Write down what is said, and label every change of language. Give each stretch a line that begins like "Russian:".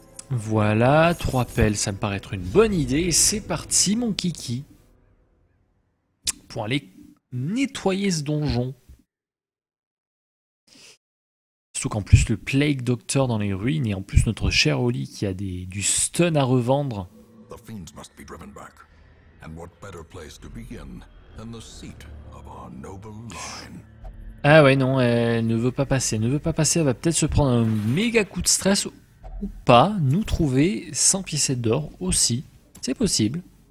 French: Voilà, 3 pelles, ça me paraît être une bonne idée. C'est parti, mon kiki. Pour aller nettoyer ce donjon. Surtout qu'en plus, le Plague Doctor dans les ruines, et en plus, notre cher Oli qui a du stun à revendre.
English: The fiends must be driven back. And what better place to begin than the seat of our noble line?
French: Ah ouais, non, elle ne veut pas passer, elle va peut-être se prendre un méga coup de stress ou pas, nous trouver 100 piécettes d'or aussi, c'est possible.